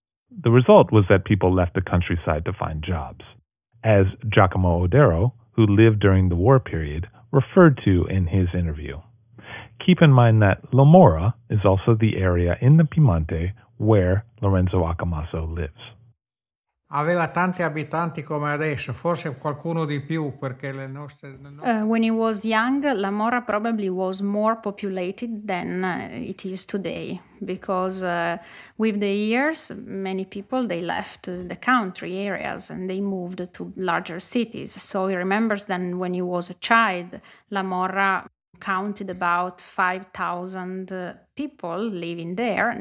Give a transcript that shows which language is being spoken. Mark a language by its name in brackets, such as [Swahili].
[English] The result was that people left the countryside to find jobs, as Giacomo Odero, who lived during the war period, referred to in his interview. Keep in mind that La Mora is also the area in the Piemonte where Lorenzo Accomasso lives. [Italian] Aveva tanti abitanti come adesso, forse qualcuno di più perché le nostre. [English] When he was young, La Mora probably was more populated than it is today, because with the years, many people they left the country areas and they moved to larger cities. So he remembers that when he was a child, La Mora counted about 5,000 people living there.